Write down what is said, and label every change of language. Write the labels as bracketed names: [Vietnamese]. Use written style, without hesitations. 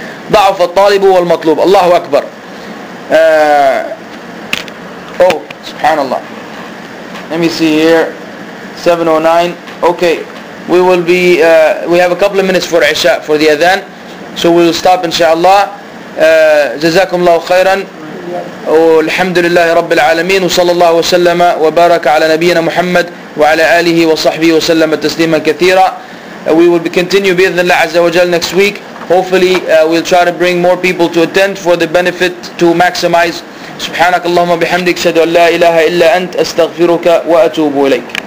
[Arabic] ضعف الطالب والمطلوب. الله أكبر. [English] Oh, subhanallah. Let me see here. 7:09. Okay, we will be. We have a couple of minutes for Isha, for the Adhan. So we will stop, inshallah. [Arabic] جزاكم الله خيرا. والحمد لله رب العالمين وصلى الله وسلم وبارك على نبينا محمد وعلى آله وصحبه وسلم تسليما كثيرا. [English] We will continue [Arabic] بإذن الله عز وجل [English] next week. Hopefully we'll try to bring more people to attend for the benefit to maximize. [Arabic] سبحانك اللهم بحمدك أشهد أن لا إله إلا أنت أستغفرك وأتوب إليك.